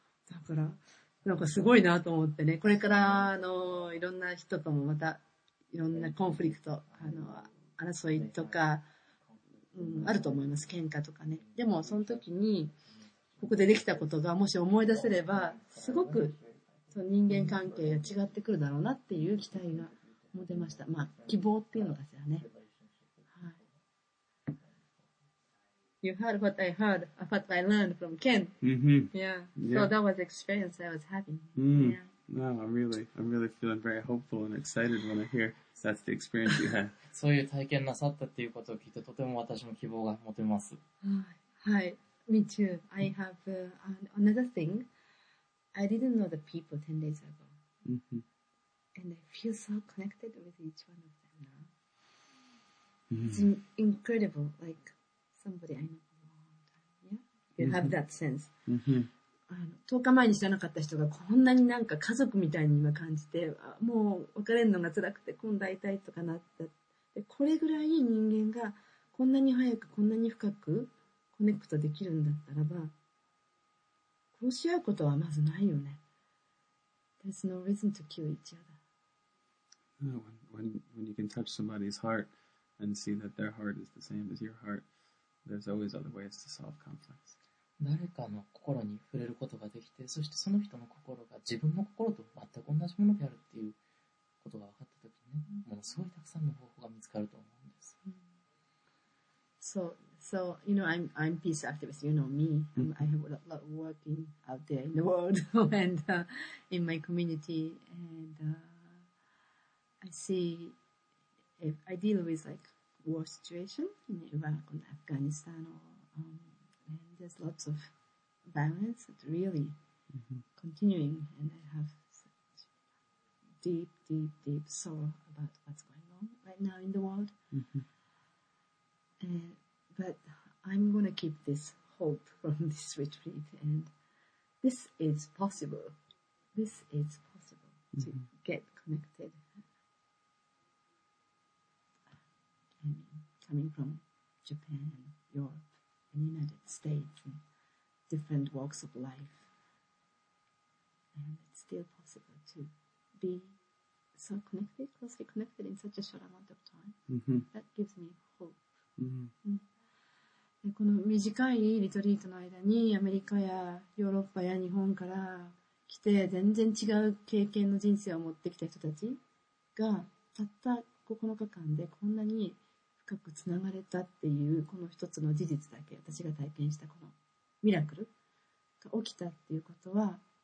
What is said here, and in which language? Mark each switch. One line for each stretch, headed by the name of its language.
Japanese: だからなんかすごいなと思ってね、これからいろんな人ともまたいろんなコンフリクト、争いとか、あると思います。喧嘩とかね。でもその時にここでできたことがもし思い出せれば、すごく人間関係が違ってくるだろうなっていう期待が持てました。まあ希望っていうのですよね。はい、
English: you heard what I heard, what I learned from Ken. Yeah. So that was the experience I was having. Yeah. No, I'm really feeling very hopeful and excited when I hear that's the experience you had.
Japanese: そういう体験なさったっていうことを聞いて、とても私も希望が持てます。
English: はい、me too. I have another thing. I didn't know the people 10 days ago. And I feel so connected with each one of them now. It's incredible, like somebody I know for a long time. Yeah? You have that sense.
Japanese: 10日前に知らなかった人がこんなになんか家族みたいに今感じて、もう別れるのが辛くて今度会いたいとかなった。でこれぐらい人間がこんなに早くこんなに深くコネクトできるんだったらば、殺し合うことはまずないよね。
English: There's no reason to kill each other. No, when you can touch somebody's heart and see that their heart is the same as your heart, there's always other ways to solve conflicts. 誰かの心に触れることができて、そしてその人の心が自分の心と全く同じものであるっていうことが分かったときにね、ものすごいたくさんの方法が見つかると思うんです。 So, you know, I'm peace activist. You know me. I have a lot of working out there in the world and in my community. And I see, if I deal with like war situation in Iraq or Afghanistan, or, and there's lots of violence that's really continuing. And I have such deep, deep, deep sorrow about what's going on right now in the world. But I'm going to keep this hope from this retreat, and this is possible. This is possible to get connected. I mean, coming from Japan, Europe, and United States, and different walks of life, and it's still possible to be so connected, closely connected in such a short amount of time. That gives me hope.
Japanese: この短いリトリートの間にアメリカやヨーロッパや日本から来て全然違う経験の人生を持ってきた人たちがたった9日間でこんなに深くつながれたっていうこの一つの事実だけ私が体験したこのミラクルが起きたっていうことは